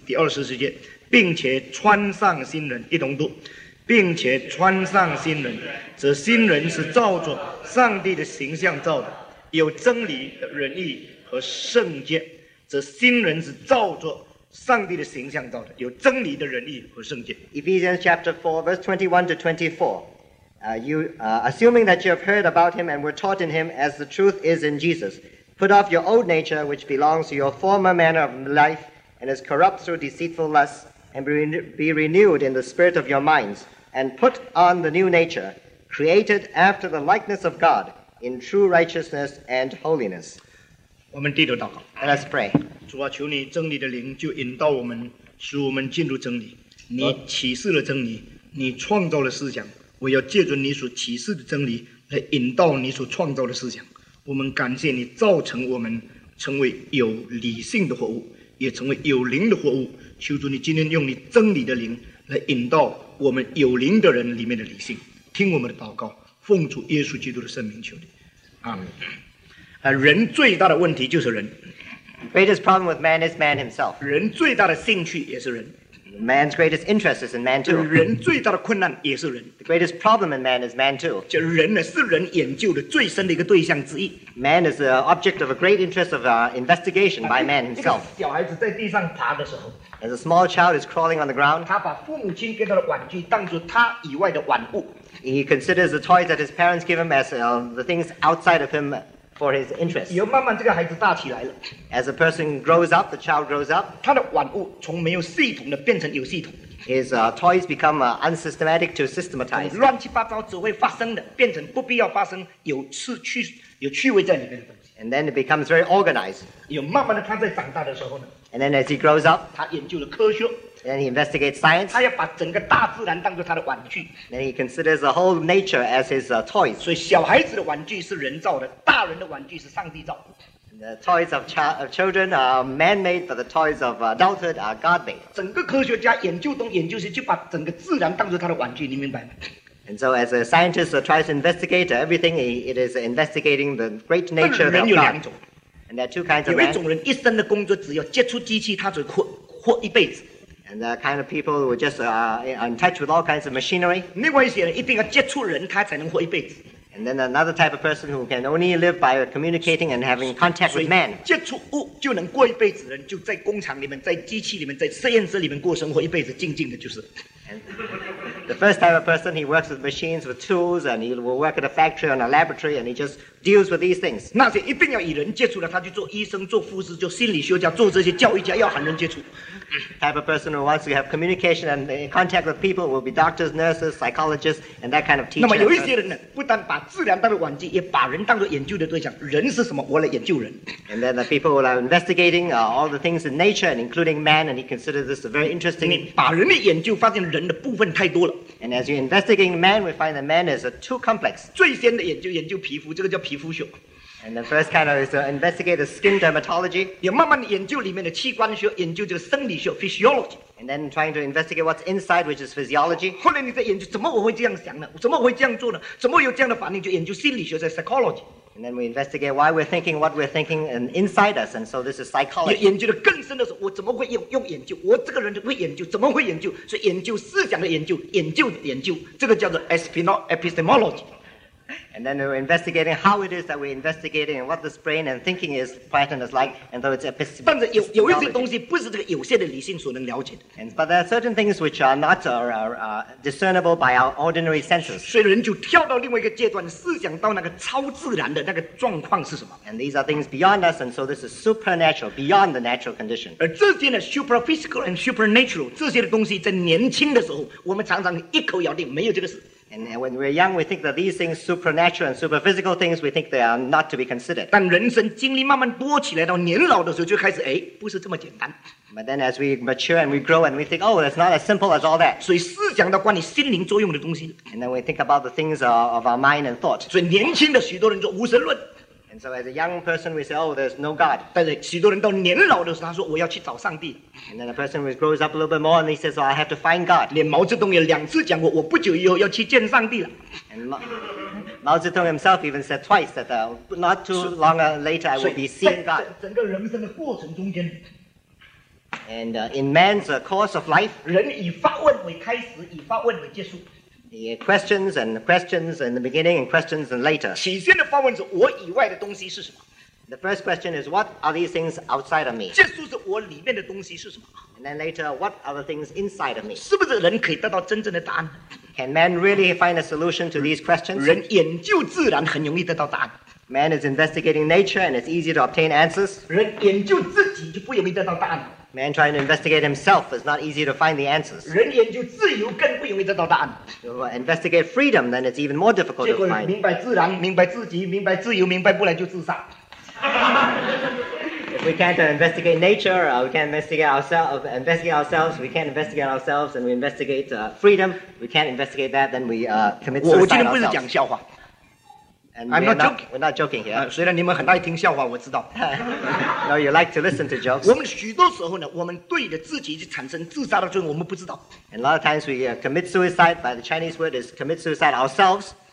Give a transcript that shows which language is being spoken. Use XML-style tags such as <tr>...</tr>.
<zh>第二十四节，并且穿上新人，一同读，并且穿上新人。这新人是照着上帝的形象造的，有真理的仁义和圣洁。这新人是照着上帝的形象造的，有真理的仁义和圣洁。</zh> <en>Ephesians chapter 4, verse 21 to 24. Assuming that you have heard about him and were taught in him as the truth is in Jesus, put off your old nature which belongs to your former manner of life and is corrupt through deceitful lusts and be renewed in the spirit of your minds and put on the new nature created after the likeness of God in true righteousness and holiness.</en> <zh>我们低头祷告。</zh> <en>Let us pray.</en> <zh>主啊，求你真理的灵就引导我们，使我们进入真理。你启示了真理，你创造了思想。我要借着你所启示的真理来引导你所创造的思想。我们感谢你造成我们成为有理性的活物，也成为有灵的活物。求主你今天用你真理的灵来引导我们有灵的人里面的理性，听我们的祷告，奉主耶稣基督的圣名求你，阿们。人最大的问题就是人。</zh> <en>The greatest problem with man is man himself.</en> <zh>人最大的兴趣也是人。</zh> <en>Man's greatest interest is in man too.</en> <zh>人最大的困难也是人。</zh> <en>The greatest problem in man is man too.</en> <zh>这人呢是人研究的最深的一个对象之一。</zh> <en>Man is the object of a great interest of investigation by man himself.</en> <zh>小孩子在地上爬的时候。</zh> <en>As a small child is crawling on the ground.</en> <zh>他把父母亲给他的玩具当作他以外的玩物。</zh> <en>He considers the toys that his parents give him as the things outside of him. For his interest.</en> <zh>以后慢慢这个孩子大起来了。</zh> <en>As a person grows up, the child grows up.</en> <zh>他的玩物从没有系统的变成有系统。</zh> <en>His toys become unsystematic to systematized.</en> <zh>乱七八糟只会发生的变成不必要发生有趣味在里面的东西。</zh> <en>And then it becomes very organized.</en> <zh>以后慢慢的他在长大的时候呢。</zh> <en>And then as he grows up.</en> <zh>他研究了科学。</zh> <en>Then he investigates science.</en> <zh>他要把整个大自然当作他的玩具。</zh> <en>Then he considers the whole nature as his toys.</en> <zh>所以小孩子的玩具是人造的，大人的玩具是上帝造的。</zh> <en>The toys of children are man-made, but the toys of adulthood are God-made.</en> <zh>整个科学家研究东研究西，就把整个自然当作他的玩具，你明白吗？</zh> <en>And so as a scientist tries to investigate everything, it is investigating the great nature of God.</en> <zh>人有两种。</zh> <en>And there are two kinds of man.</en> <zh>有一种人一生的工作只要接触机器，他就活一辈子。</zh> <en>And the kind of people who just are in touch with all kinds of machinery.</en> <zh>另外一些人一定要接触人，他才能活一辈子。</zh> <en>And then another type of person who can only live by communicating and having contact with man.</en> <zh>接触物就能过一辈子的人，就在工厂里面，在机器里面，在实验室里面过生活一辈子，静静的就是。</zh> <en>The first type of person, he works with machines, with tools, and he will work at a factory or a laboratory, and he just deals with these things.</en> <zh>那些一定要与人接触的，他去做医生、做护士、做心理学家、做这些教育家，要和人接触。</zh> <en>Type of person who wants to have communication and contact with people will be doctors, nurses, psychologists, and that kind of teacher.</en> <zh>那么有一些人呢，不但把治疗当作玩具，也把人当作研究的对象。人是什么？我来研究人。</zh> <en>And then the people are investigating all the things in nature, and including man, and he considers this a very interesting.</en> <zh>你把人的研究，发现人的部分太多了。</zh> <en>And as you investigate man, we find that man is too complex.</en> <zh>最先的研究皮肤，这个叫皮肤学。</zh> <en>And the first kind of is to investigate the skin dermatology.</en> <zh>也慢慢研究里面的器官学，研究这个生理学 physiology.</zh> <en>And then trying to investigate what's inside, which is physiology.</en> <zh>后来你在研究怎么我会这样想呢？怎么会这样做呢？怎么有这样的反应？就研究心理学，在 psychology.</zh> <en>And then we investigate why we're thinking what we're thinking and inside us. And so this is psychology.</en> <zh>研究的更深的是我怎么会用研究？我这个人会研究，怎么会研究？所以研究思想的研究，研究的研究，这个叫做 epistemology.</zh> <en>And then we're investigating how it is that we're investigating and what this brain and thinking is, pattern is like, and though it's epistemology.</en> <zh>但是有一些东西不是这个有限的理性所能了解的。</zh> <en>But there are certain things which are not discernible by our ordinary senses.</en> <zh>所以人就跳到另外一个阶段，思想到那个超自然的那个状况是什么。</zh> <en>And these are things beyond us, and so this is supernatural, beyond the natural condition.</en> <zh>而这些呢 ,</zh> <en>superphysical and supernatural,</en> <zh>这些的东西在年轻的时候我们常常一口咬定没有这个事。</zh> <en>And when we're young, we think that these things, supernatural and superphysical things, we think they are not to be considered.</en> <zh>但人生经历慢慢多起来，到年老的时候就开始，哎，不是这么简单。</zh> <en>But then as we mature and we grow and we think, oh, it's not as simple as all that.</en> <zh>所以思想到关于心灵作用的东西。</zh> <en>And then we think about the things of our mind and thought.</en> <zh>所以年轻的许多人就无神论。</zh> <en>And so as a young person, we say, oh, there's no God.</en> <zh>但是许多人到年老的时候，他说我要去找上帝。</zh> <en>And then a person who grows up a little bit more and he says, oh, I have to find God.</en> <zh>连毛泽东也两次讲过，我不久以后要去见上帝了。</zh> <en>And Mao Zedong himself even said twice that not too long later I will be seeing God.</en> <zh>在整个人生的过程中间。</zh> <en>And in man's course of life,</en> <zh>人以发问为开始，以发问为结束。</zh> <en>The questions and questions in the beginning and questions and later.</en> <zh>起先的发问是我以外的东西是什么？</zh> <en>The first question is what are these things outside of me?</en> <zh>结束是我里面的东西是什么？</zh> <en>And then later what are the things inside of me?</en> <zh>是不是人可以得到真正的答案？</zh> <en>Can man really find a solution to these questions?</en> <zh>人研究自然很容易得到答案。</zh> <en>Man is investigating nature and it's easy to obtain answers.</en> <zh>人研究自己就不容易得到答案。</zh> <en>Man trying to investigate himself is not easy to find the answers.</en> <zh>人研究自由更不容易得到答案。</zh> <en>So investigate freedom, then it's even more difficult to find.</en> <zh>结果明白自然，明白自己，明白自由，明白不了就自杀。</zh> <en>If we can't investigate nature, we can't investigate ourselves, we can't investigate ourselves, and we investigate freedom, we can't investigate that, then we commit suicide ourselves.</en> <zh>我今天不是讲笑话。</zh> <en>We're not joking here.</en> <zh>虽然你们很爱听笑话，我知道。</zh> <en>No, you like to listen to jokes.</en> <zh>我们许多时候呢，我们对着自己就产生自杀的罪，我们不知道。</zh> <en>And a lot of times we commit suicide. By the Chinese word is commit suicide ourselves.</en>